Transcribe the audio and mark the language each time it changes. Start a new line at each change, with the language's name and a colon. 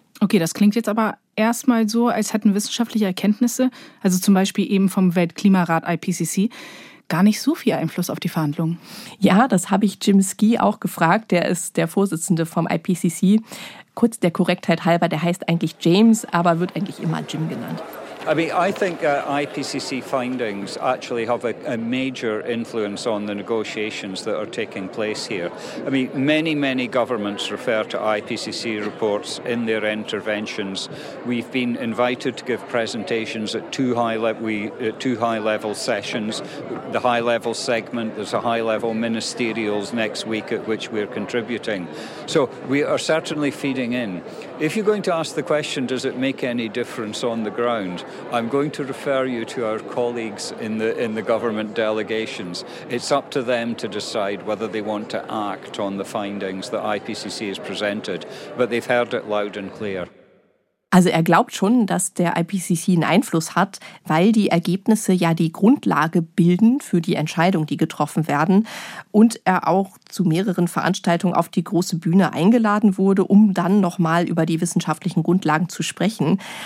German: Okay, das klingt jetzt aber erstmal so, als hätten wissenschaftliche Erkenntnisse, also zum Beispiel eben vom Weltklimarat IPCC, gar nicht so viel Einfluss auf die Verhandlungen. Ja, das habe ich Jim Ski auch gefragt. Der ist der Vorsitzende vom IPCC. Kurz der Korrektheit halber, der heißt eigentlich James, aber wird eigentlich immer Jim genannt.
English: I mean, I think IPCC findings actually have a major influence on the negotiations that are taking place here. I mean, many, many governments refer to IPCC reports in their interventions. We've been invited to give presentations at two high level sessions, the high level segment. There's a high level ministerials next week at which we're contributing. So we are certainly feeding in. If you're going to ask the question, does it make any difference on the ground? I'm going to refer you to our colleagues in the government delegations. It's up to them to decide whether they want to act on the findings that IPCC has presented, but they've heard it loud and clear.
German: Also er glaubt schon, dass der IPCC einen Einfluss hat, weil die Ergebnisse ja die Grundlage bilden für die Entscheidungen, die getroffen werden. Und er auch zu mehreren Veranstaltungen auf die große Bühne eingeladen wurde, um dann nochmal über die wissenschaftlichen Grundlagen zu sprechen.